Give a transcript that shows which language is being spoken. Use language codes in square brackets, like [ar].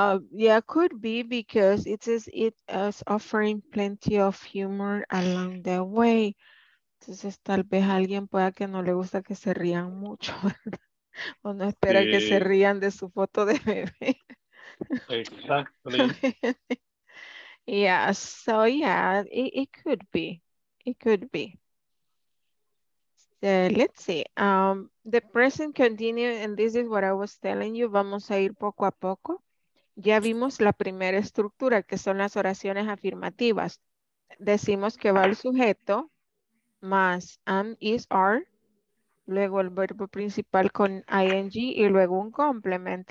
[en] Yeah, could be because it says it is offering plenty of humor along the way. [es] Entonces, tal vez alguien pueda que no le gusta que se rían mucho, ¿verdad? O no espera sí. Que se rían de su foto de bebé. [en] Exactly. Yeah, so yeah, it could be. It could be. Let's see. The present continuous, and this is what I was telling you, [es] vamos a ir poco a poco. Ya vimos la primera estructura, que son las oraciones afirmativas. Decimos que va el sujeto, más am, is, are, luego el verbo principal con ing, y luego un complement.